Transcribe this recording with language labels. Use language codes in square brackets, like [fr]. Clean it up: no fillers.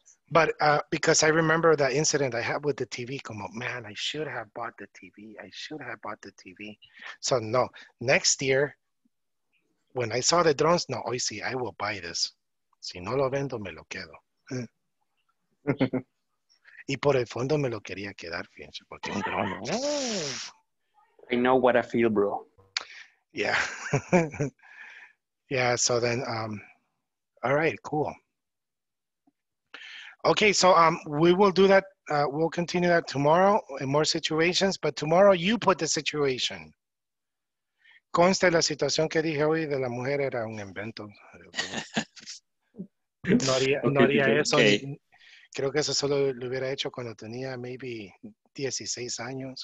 [en] But because I remember that incident I had with the TV, como, man, I should have bought the TV. I should have bought the TV. So no, next year, when I saw the drones, no, [es] hoy sí, [en] I will buy this. [es] Si no lo vendo, me lo quedo. Y por el fondo me lo quería quedar, fíjense, porque un drone. [en] I know what I feel, bro. Yeah. Yeah, so then, all right, cool. Okay, so we will do that. We'll continue that tomorrow in more situations, but tomorrow you put the situation. [es] Conste la situación que dije hoy de la mujer era un invento. No haría, okay, no haría eso. Okay. Creo que eso solo lo hubiera hecho cuando tenía maybe 16 años.